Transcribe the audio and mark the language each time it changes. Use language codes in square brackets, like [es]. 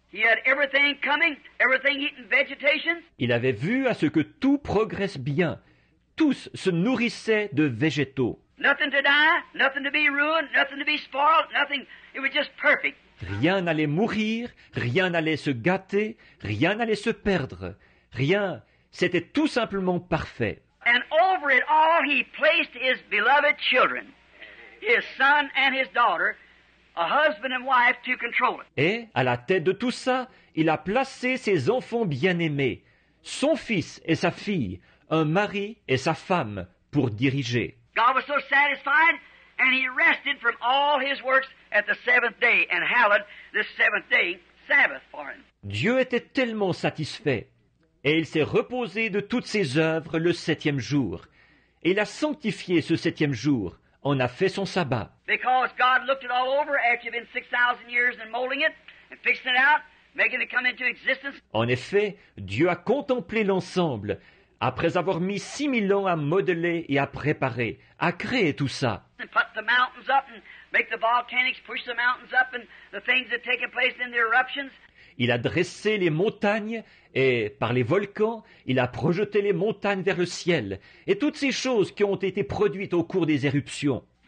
[en] He had everything coming, everything eating vegetation. [fr] Il avait vu à ce que tout progresse bien. Tous se nourrissaient de végétaux. [en] Nothing to die, nothing to be ruined, nothing to be spoiled, nothing. It was just perfect. [fr] Rien n'allait mourir, rien n'allait se gâter, rien n'allait se perdre. Rien, c'était tout simplement parfait. [en] And over it all, he placed his beloved children, his son and his daughter, a husband and wife to control it. [fr] Et à la tête de tout ça, il a placé ses enfants bien-aimés, son fils et sa fille, un mari et sa femme, pour diriger. [en] God was so satisfied, and he rested from all his works at the seventh day and hallowed the seventh day Sabbath for him. [fr] Dieu était tellement satisfait et il s'est reposé de toutes ses œuvres le septième jour. Il a sanctifié ce septième jour, en a fait son sabbat. [en] Because God looked it all over after you've been 6,000 years and molding it and fixing it out, making it come into existence. [fr] En effet, Dieu a contemplé l'ensemble après avoir mis 6,000 ans à modeler et à préparer, à créer tout ça. [en] And put the mountains up and make the volcanics push the mountains up and the things that have taken place in the eruptions. [fr] Il a dressé les montagnes Et par les volcans, il a projeté les montagnes vers le ciel et toutes ces choses qui ont été produites au cours des éruptions.